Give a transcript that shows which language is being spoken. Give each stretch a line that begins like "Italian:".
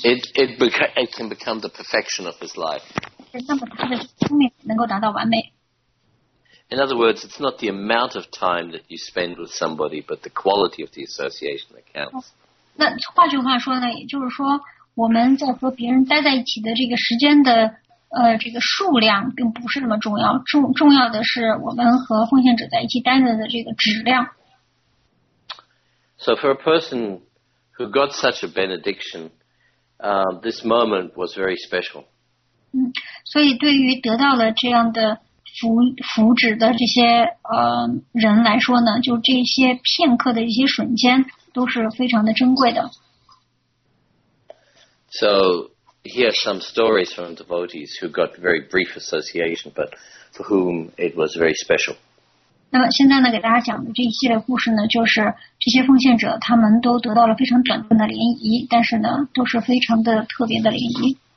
English: it can become the perfection of his life.
Chinese: 那么他的生命能够达到完美。
English: In other words, it's not the amount of time that you spend with somebody, but the quality of the association that counts.
Chinese: 那换句话说呢，也就是说，我们在和别人待在一起的这个时间的这个数量并不是那么重要，重要的是我们和奉献者在一起待着的这个质量。
English: So for a person who got such a benediction, this moment was very special.
Chinese: 所以对于得到了这样的福祉的这些人来说呢，就这些片刻的一些瞬间都是非常的珍贵的。
English: So here are some stories from devotees who got very brief association, but for whom it was very special.
Chinese: 那么现在呢，给大家讲的这一系列故事呢，就是这些奉献者他们都得到了非常短暂的联谊，但是呢，都是非常的特别的联谊。